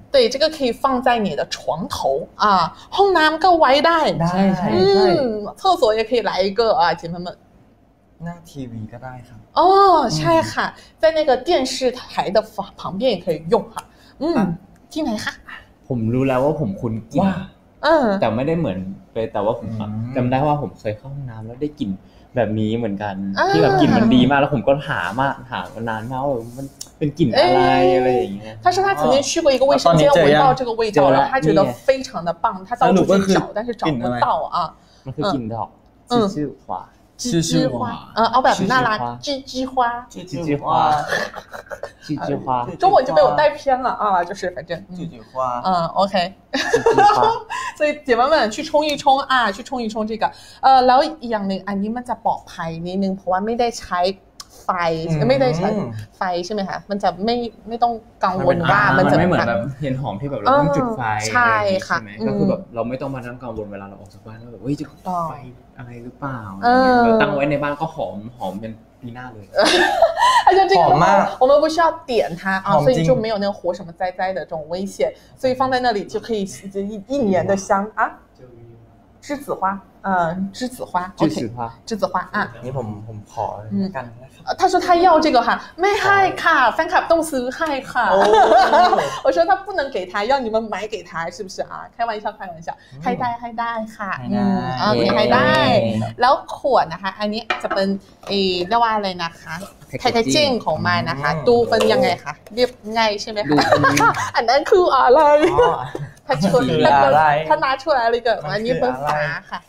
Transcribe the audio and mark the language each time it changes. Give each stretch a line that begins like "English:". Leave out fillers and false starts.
Chinese: 对这个可以放在你的床头啊
Thai: ห้องน้ำก็ไว้ได้ ใช่ใช่ใช่
Chinese: 厕所也可以来一个啊姐妹们
Thai: หน้าทีวีก็ได้ครับ อ๋อใช่ค่ะ
Chinese: 在那个电视台的旁边也可以用哈
Thai: ที่ไหนคะ ผมรู้แล้วว่าผมคุ้นกลิ่นแต่ไม่ได้เหมือนไปแต่ว่าผมจำได้ว่าผมเคยเข้าห้องน้ำแล้วได้กลิ่นแบบนี้เหมือนกันที่แบบกลิ่นมันดีมากแล้วผมก็หามานานมากว่ามันเป็นกลิ่นอะไรอะไรอย่างเงี้ย
Chinese: 他说他曾经去过一个卫生间闻到这个味道然后他觉得非常的棒他到处去找但是找不到啊
Thai: มันคือกลิ่นดอกชื่อหัว
Chinese: 栀子花，嗯，奥本纳拉，栀子花，栀子花，栀子花，中文就被我带偏了啊，就是反正栀子花，
Thai: 嗯 ，OK，
Chinese: 所以姐妹们去冲一冲啊，去冲一冲这个，然后
Thai: อย่างหนึ่งอันนี้มันจะปลอดภัยนิดนึงเพราะว่าไม่ได้ใช้ไฟไม่ได้ใช้ไฟใช่ไหมคะมันจะไม่ต้องกังวลว่ามัน จะ ไม่เหมือนแบบเทียนหอมที่แบบเราต้องจุดไฟ ใช่ค่ะ ใช่ไหมก็คือแบบเราไม่ต้องมานั่งกังวลเวลาเราออกจากบ้านแล้วแบบเฮ้ยจะไฟอะไรหรือเปล่าเราตั้งไว้ในบ้านก็หอมเป็นปีหน้าเลย หอ มมาก
Chinese: 我们不需要点它啊所以就没有那个火什么灾灾的这种危险所以放在那里就可以一年的香啊栀子花栀子花栀子花栀子花啊
Thai: นี่ผมขอกัน
Chinese: 他说他要这个哈
Thai: ไม่ให้ค่ะแฟนคลับต้องซื้อให้ค่ะ
Chinese: 我说他不能给他要你们买给他是不是啊开玩笑开玩笑
Thai: ให้ได้ค่ะ ให้ได้ แล้วขวดนะคะอันนี้จะเป็นเรียกว่าอะไรนะคะแพ็กเกจิ้งของมันนะคะดูเป็นยังไงคะเรียบง่ายใช่ไหมคะอันนั้นคืออะไรถ้าน้าช่วยอะไรก็อันนี้เป็นฝาค่ะ